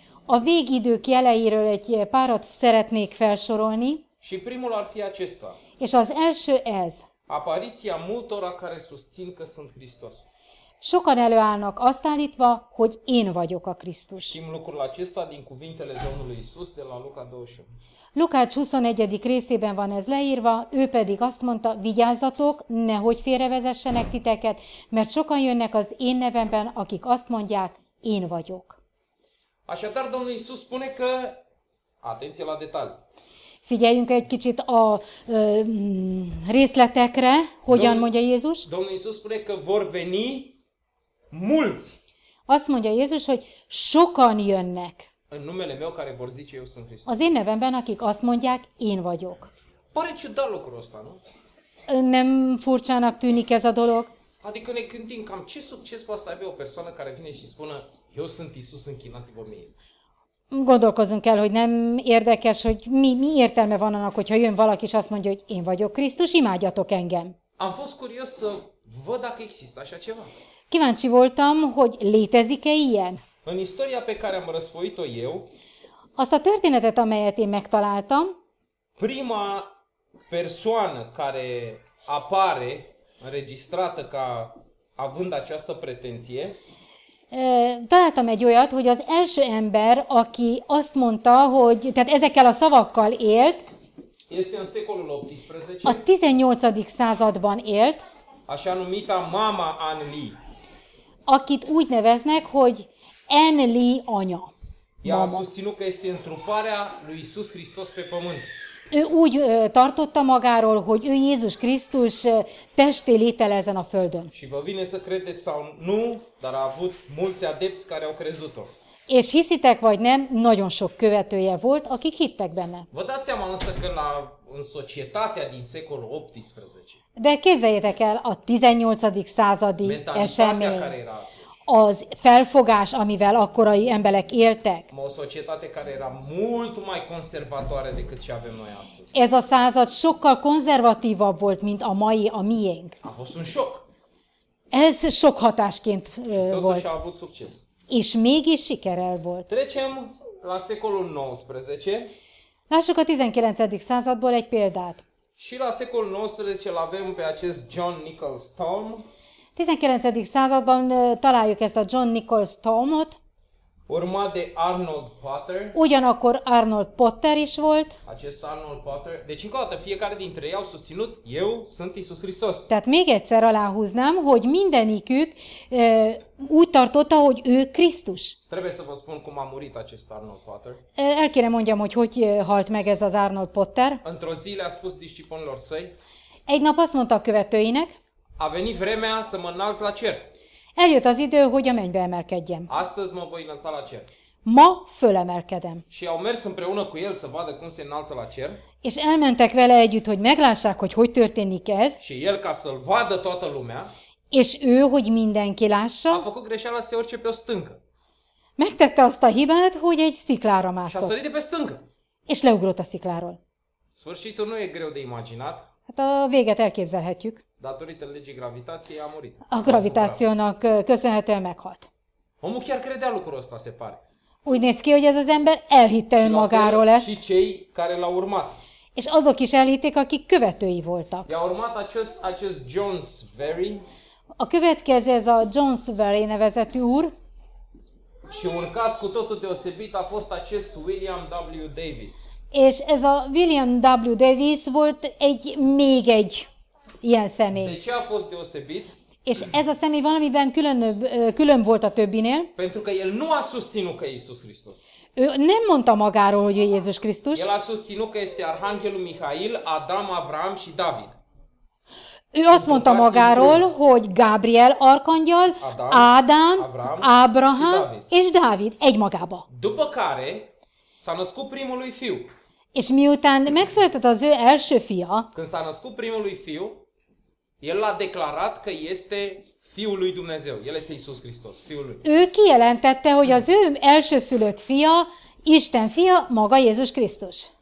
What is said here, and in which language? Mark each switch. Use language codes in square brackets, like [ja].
[hu] A végidők jeleiről egy párat szeretnék felsorolni. [ro] Și primul ar fi acesta. [hu] És az első ez. [ro] Apariția multora care susțin că sunt Hristos. [hu] Sokan előállnak azt állítva, hogy én vagyok a Krisztus. [ro] Știm lucrul acesta din cuvintele Domnului Iisus de la Luca 21. [hu] Lukács 21. részében van ez leírva, ő pedig azt mondta, vigyázzatok, nehogy félrevezessenek titeket, mert sokan jönnek az én nevemben, akik azt mondják, én vagyok. [ro] Așadar Domnul Iisus spune că, atenție la detalii. [hu] Figyeljünk egy kicsit a részletekre, hogyan mondja Jézus. [ro] Domnul Iisus spune că vor veni mulți. [hu] Azt mondja Jézus, hogy sokan jönnek. [ro] În numele meu care vor zice eu sunt Hristos. [hu] Az én nevemben, akik azt mondják, én vagyok. [ro] Pare ciudat lucrul ăsta, nu? [hu] Nem furcsának tűnik ez a dolog. [ro] Adică ne gândim cam ce succes poate să aibă o persoană care vine și spună, eu sunt Iisus, închinați-vă mie. [hu] Gondolkozunk el, hogy nem érdekes, hogy mi értelme van annak, hogyha jön valaki és azt mondja, hogy én vagyok Krisztus, imádjatok engem. [ro] Am fost curios să văd dacă există așa ceva. [hu] Kíváncsi voltam, hogy létezik-e ilyen? [ro] În istoria pe care am răsfoit-o eu, [hu] azt a történetet, amelyet én megtaláltam, [ro] prima persoană care apare înregistrată ca având această pretenție, [hu] találtam egy olyat, hogy az első ember, aki azt mondta, hogy tehát ezekkel a szavakkal élt, [ro] este în secolul 18, [hu] a 18. században élt, [ro] așa numita mama Anne Lee. [hu] akit úgy neveznek, hogy Enli anya. [ro] Ea a susținut că este întruparea lui Iisus Hristos pe pământ. [hu] Ő úgy tartotta magáról, hogy ő Jézus Krisztus testé létele ezen a földön. [ro] Și vă vine să credeți sau nu, dar a avut mulți adepți care au crezut-o. [hu] És hiszitek vagy nem, nagyon sok követője volt, akik hittek benne. [ro] Vă dați seama însă că la, în societatea din secolul 18. [hu] De képzeljétek el a 18. századi esemény. [ro] Care era [hu] az felfogás, amivel akkorai emberek éltek. [ro] Ma a societate care era mult mai conservatoare decât ce avem noi astăzi. [hu] Ez a század sokkal konzervatívabb volt, mint a mai, a miénk. [ro] A fost un șoc. [hu] Ez sok hatásként volt. [ro] Totuși a avut succes. [hu] És mégis sikerel volt. [ro] Trecem la secolul 19. [hu] Lássuk a 19. századból egy példát. [ro] Și la secolul 19-el avem pe acest John Nichols Tom. [hu] 19. században találjuk ezt a John Nichols Tomot. [ro] Urmat de Arnold Potter. [hu] Ugyanakkor Arnold Potter is volt. [ro] Acest Arnold Potter. Deci încă o dată fiecare dintre ei au susținut, eu sunt Iisus Hristos. [hu] Tehát még egyszer aláhúznám, hogy mindenikük úgy tartotta, hogy ő Krisztus. [ro] Trebuie să vă spun cum a murit acest Arnold Potter. [hu] El kéne mondjam, hogy hogy halt meg ez az Arnold Potter. [ro] Într-o zi le-a spus discipolilor săi. [hu] Egy nap azt mondta a követőinek. [ro] A venit vremea să mă înalț la cer. [hu] Eljött az idő, hogy a mennybe emelkedjem. [ro] Astăzi mă voi înălța la cer. [hu] Ma fölemelkedem. [ro] Și au mers împreună cu el să vadă cum se înalță la cer. [hu] És elmentek vele együtt, hogy meglássák, hogy hogy történik ez. [ro] Și el ca să-l vadă toată lumea. [hu] És ő, hogy mindenki lássa. [ro] A făcut greșeala să se urce pe o stâncă. [hu] Megtette azt a hibát, hogy egy sziklára mászott. [ro] Și a sărit de pe stâncă. [hu] És leugrott a szikláról. [ro] Sfârșitul nu e greu de imaginat. [hu] Hát a véget elképzelhetjük. [ro] Datorită legii gravitației a murit. [hu] A gravitációnak köszönhetően meghalt. [ro] Omul chiar credea lucrul ăsta, se pare. [hu] Úgy néz ki, hogy ez az ember elhitte önmagáról ezt. [ro] Și cei care l-au urmat. [hu] És azok is elhitték, akik követői voltak. [ro] I-a urmat acest John Sverry. [hu] A következő ez a John Sverry nevezetű úr. [ro] Și un caz cu totul deosebit a fost acest William W. Davis. [hu] És ez a William W. Davis volt egy, még egy ilyen személy. [ro] De ce a fost deosebit? [hu] És ez a személy valamiben külön volt a többinél. [ro] Pentru că el nu a susținut că e Iisus Hristos. [hu] Ő nem mondta magáról, hogy ő Jézus Krisztus. [ro] El a susținut că este Arhanghelul Mihail, Adam, Avram și David. [hu] Ő azt mondta magáról, hogy Gabriel, Arkangyal, Adam, Abraham és Dávid egymagába. [ro] După care s-a născut primului fiu. [hu] És miután megszületett az ő első fia, [ro] când s-a născut primului fiu, el l-a declarat că este fiul lui Dumnezeu. El este Iisus Hristos, fiul lui. [hu] Ő kijelentette, hogy az ő első szülött fia, Isten fia, maga Jézus Krisztus.